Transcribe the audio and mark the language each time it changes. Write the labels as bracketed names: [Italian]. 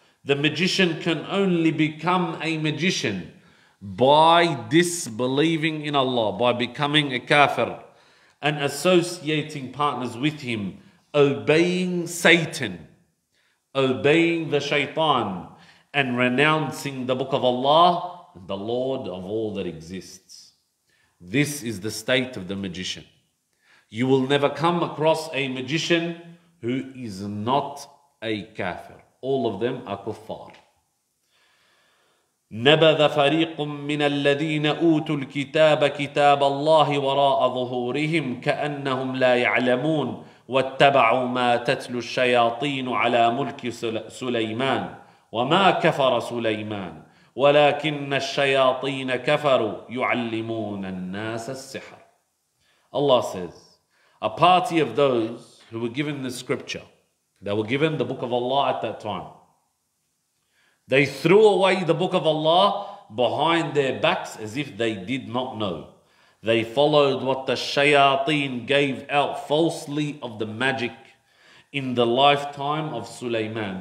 [English] The magician can only become a magician by disbelieving in Allah, by becoming a kafir and associating partners with him, obeying Satan, obeying the shaitan, and renouncing the book of Allah, the Lord of all that exists. This is the state of the magician. You will never come across a magician who is not a kafir. All of them are kuffar. [Arabic] نبذ فريق من الذين أوتوا الكتاب كتاب الله وراء ظهورهم كأنهم لا يعلمون واتبعوا ما تتلو الشياطين على ملك سليمان وما كفر سليمان ولكن الشياطين كفروا يعلمون الناس السحر. [English] Allah says, a party of those who were given the scripture, they were given the book of Allah at that time. They threw away the book of Allah behind their backs as if they did not know. They followed what the shayateen gave out falsely of the magic in the lifetime of Sulaiman.